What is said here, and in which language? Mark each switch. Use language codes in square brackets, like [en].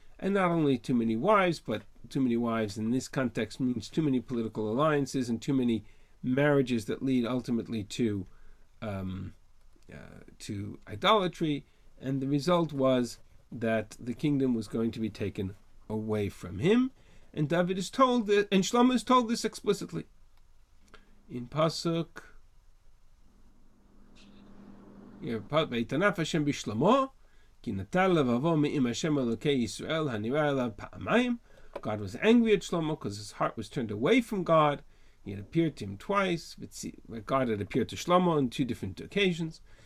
[en] And not only too many wives, but too many wives in this context means too many political alliances and too many marriages that lead ultimately to idolatry. And the result was that the kingdom was going to be taken away from him. And David is told that, and Shlomo is told this explicitly. In Pasuk [he] ויתנף השם בשלמו, כי נטל לבבו מאם השם אלוקי ישראל הנראה אליו פעמיים. [en] God was angry at Shlomo because his heart was turned away from God. He had appeared to him twice. God had appeared to Shlomo on two different occasions.